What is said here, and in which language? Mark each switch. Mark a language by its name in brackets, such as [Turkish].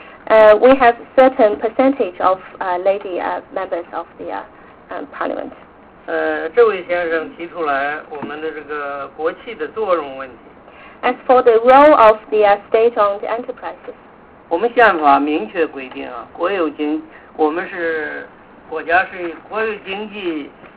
[English] We have certain percentage of lady members of the parliament. [Chinese] 这位先生提出来我们的这个国企的作用问题。 [English] As for the role of the state-owned enterprises. [Chinese] 我们宪法明确规定啊，国有经，我们是国家是国有经济，